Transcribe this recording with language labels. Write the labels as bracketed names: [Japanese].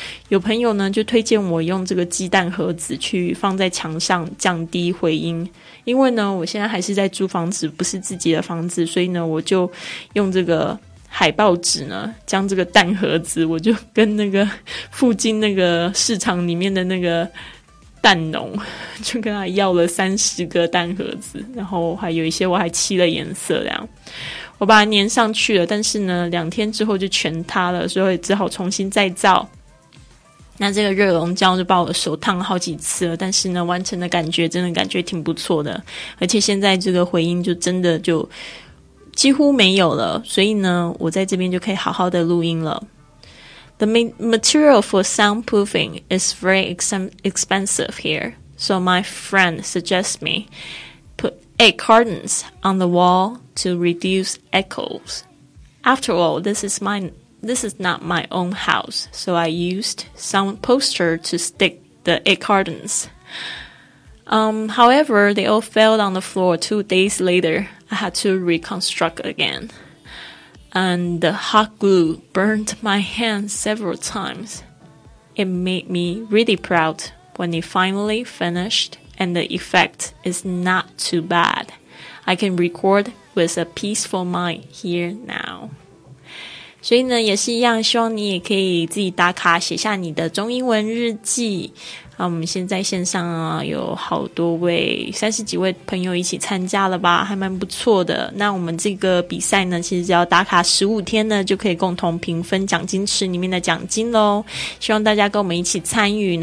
[Chinese] 有朋友呢就推荐我用这个鸡蛋盒子去放在墙上降低回音，因为呢我现在还是在租房子，不是自己的房子，所以呢我就用这个海报纸呢将这个蛋盒子，我就跟那个附近那个市场里面的那个蛋农就跟他要了30个蛋盒子，然后还有一些我还漆了颜色，这样我把它粘上去了，但是呢两天之后就全塌了，所以只好重新再造。那这个热熔胶就把我的手烫好几次了，但是呢完成的感觉真的感觉挺不错的，而且现在这个回音就真的就几乎没有了，所以呢我在这边就可以好好的录音了。 [English] The material for soundproofing is very expensive here, so my friend suggests me put egg cartons on the wall to reduce echoes. After all, this is not my own house, so I used some poster to stick the egg cartons. However, they all fell on the floor 2 days later. I had to reconstruct again. And the hot glue burned my hand several times. It made me really proud when it finally finished, and the effect is not too bad. I can record with a peaceful mind here now. [Chinese] 所以呢，也是一样，希望你也可以自己打卡写下你的中英文日记。那我们现在线上啊有好多位三十几位朋友一起参加了吧，还蛮不错的。那我们这个比赛呢，其实只要打卡15天呢就可以共同平分奖金池里面的奖金咯，希望大家跟我们一起参与。